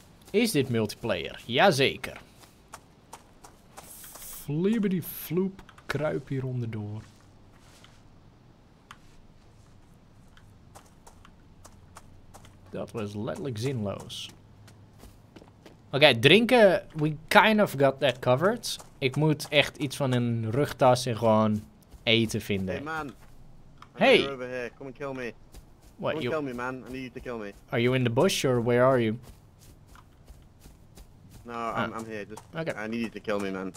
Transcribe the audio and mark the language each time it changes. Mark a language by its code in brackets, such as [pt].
[nl] Is dit multiplayer? Jazeker. Flippity floop. kruip hier onderdoor. Dat was letterlijk zinloos. Oké, drinken, [en] we kind of got that covered. [nl] Ik moet echt iets van een rugtas en gewoon eten vinden. [en] Hey man. Hey. Over here. Come and kill me. What, come and kill me, man. I need you to kill me. Are you in the bush or where are you? No, I'm here. Okay. I need you to kill me, man.